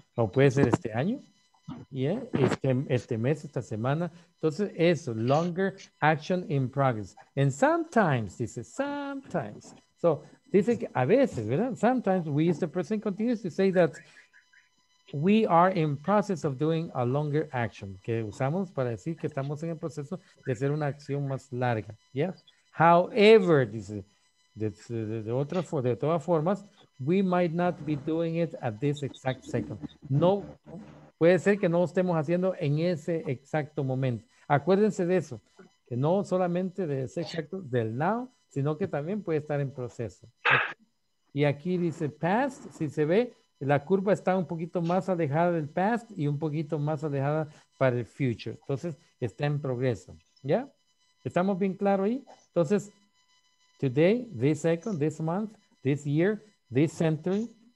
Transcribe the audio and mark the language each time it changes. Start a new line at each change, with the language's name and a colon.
Spanish: O puede ser este año, yes. Este mes, esta semana. Entonces, eso,
English: longer action in progress. And sometimes,
Spanish: dice,
English: sometimes.
Spanish: So, dice que a veces, ¿verdad?
English: Sometimes we use the present continuous to say that we are in process of doing a longer action.
Spanish: Que usamos para decir que estamos en el proceso de hacer una acción más larga.
English: Yes. However,
Spanish: dice, de todas formas,
English: we might not be doing it at this exact second.
Spanish: No, puede ser que no lo estemos haciendo en ese exacto momento. Acuérdense de eso. Que no solamente de ese exacto del now, sino que también puede estar en proceso. Y aquí dice past, si se ve, la curva está un poquito más alejada del past y un poquito más alejada para el future. Entonces, está en progreso. ¿Ya? ¿Estamos bien claros ahí? Entonces,
English: today, this second, this month, this year, this century.